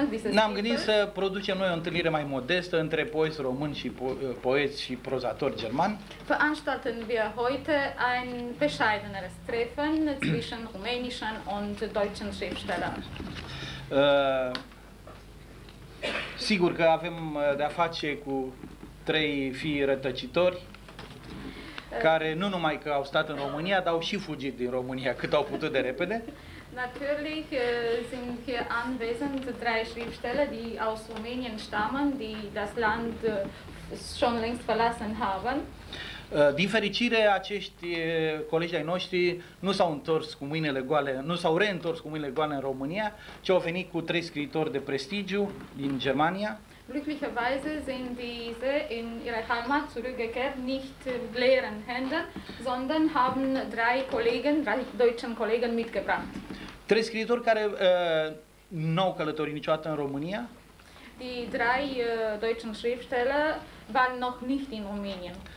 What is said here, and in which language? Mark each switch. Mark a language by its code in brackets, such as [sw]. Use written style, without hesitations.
[ro] Ne-am gândit să producem noi o întâlnire mai modestă între poeți români și poeți și prozatori germani. [de] Veranstalten wir heute ein bescheideneres Treffen zwischen rumänischen und deutschen Schriftstellern. [ro] Sigur că avem de a face cu trei fii rătăcitori care nu numai că au stat în România, dar au și fugit din România cât au putut de repede. [de] Natürlich sind hier anwesend drei Schriftsteller, die aus Rumänien stammen, die das Land schon längst verlassen haben. [ro] Din fericire, acești colegi ai noștri nu s-au întors cu mâinile goale, nu s-au reîntors cu mâinile goale în România, ci au venit cu trei scriitori de prestigiu din Germania. [de] Glücklicherweise sind diese in ihre Heimat zurückgekehrt, nicht mit leeren Händen, sondern haben drei Kollegen, drei deutschen Kollegen mitgebracht. [ro] Trei scriitori care n-au călătorit niciodată în România. [de] Die drei deutschen Schriftsteller waren noch nicht in Rumänien.